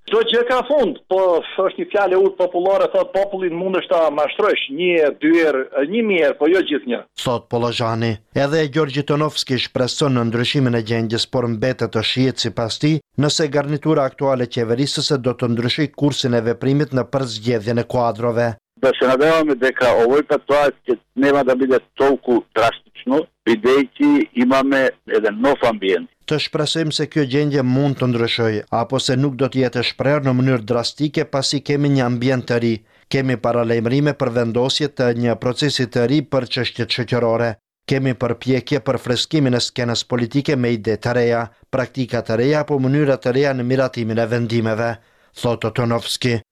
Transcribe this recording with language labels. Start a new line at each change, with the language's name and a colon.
Albanian: Çdo gjë ka fund, po është një fjalë e urtë popullore, thotë popullin mundesh ta mashtrosh një herë, dy herë, 1000 herë, po jo gjithnjë. Thot Pollozhani. Edhe Gjorgji Tonovski shpreson në ndryshimin e gjendjes, por mbetet të shihet sipas tij nëse garnitura aktuale qeverisëse do të ndryshoj kursin e veprimit në përzgjedhjen e kuadrove.
Macedonian: Да се надеваме дека овојта тоа ќе нема да биде толку драстично, бидејќи имаме еден нов амбиент.
Albanian: Të shpresojmë se kjo gjendje mund të ndryshoj, apo se nuk do të jetë shprehur në mënyrë drastike pasi kemi një ambient të ri. Kemi paralajmërime për vendosje të një procesi të ri për çështjet shoqërore. Kemi përpjekje për freskimin e skenës politike me ide të reja, praktika të reja apo mënyra të reja në miratimin e vendimeve, thotë Tonovski.